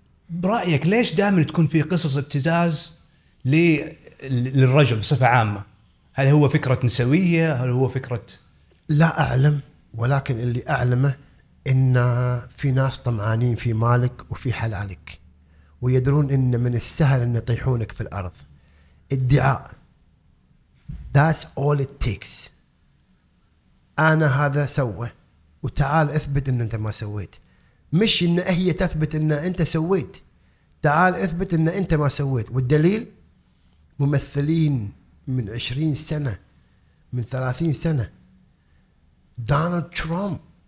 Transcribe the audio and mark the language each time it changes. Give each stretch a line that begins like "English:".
Arabic: برايك ليش دائما تكون في قصص ابتزاز للرجل بصفه عامه؟ هل هو فكره نسويه؟ هل هو فكره لا اعلم، ولكن اللي اعلمه إن في ناس طمعانين في مالك وفي حلالك، ويدرون إن من السهل أن يطيحونك في الأرض. ادعاء
English: That's all it takes.
Arabic: أنا هذا سوى وتعال اثبت إن أنت ما سويت، مش إن هي تثبت إن أنت سويت، تعال اثبت إن أنت ما سويت. والدليل ممثلين من 20 سنة من 30 سنة، دونالد ترامب